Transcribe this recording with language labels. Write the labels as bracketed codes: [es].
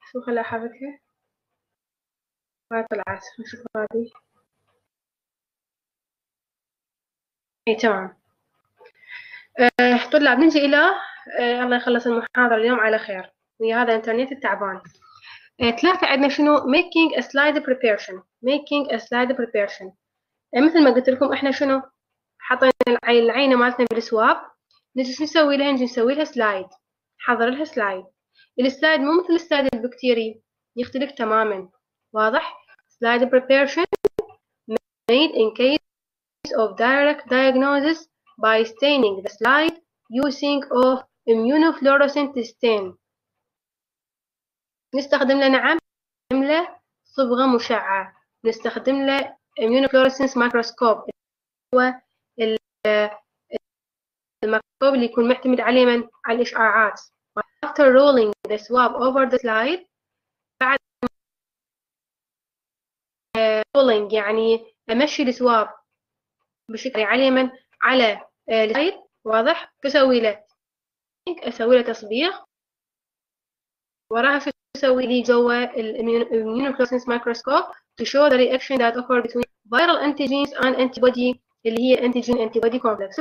[ar] شو خلي احركها، ما طلعت. شوف هذي، اي تمام. طلاب نجي الى الله يخلص المحاضرة اليوم على خير ويا هذا الانترنت التعبان. ثلاثة عندنا شنو؟ [en] making a slide preparation، making a slide preparation. [ar] مثل ما قلت لكم احنا شنو؟ حطينا العينة مالتنا بالسواب، نجي شو نسوي لها؟ نجي نسوي لها سلايد، حضر لها سلايد. السلايد مو مثل السلايد البكتيري، يختلف تماما، واضح؟ [en] slide preparation made in case of direct diagnosis by staining the slide using of immunofluorescent stain. [ar] نستخدم له، نعم، نستخدم له صبغة مشعة، نستخدم له immunofluorescence microscope هو الميكروسكوب اللي يكون معتمد عليه من على الإشعاعات. [en] After rolling the swab over the slide، [ar] بعد rolling يعني أمشي السواب بشكل عليه من على السلايد، واضح؟ أسوي له، أسوي له تصبيغ، وراها في تسوي لي جوا الميونوكلوسنس مايكروسكوب [en] to show the reaction that occurred between viral antigens and antibody [ar] اللي هي antigen antibody complex.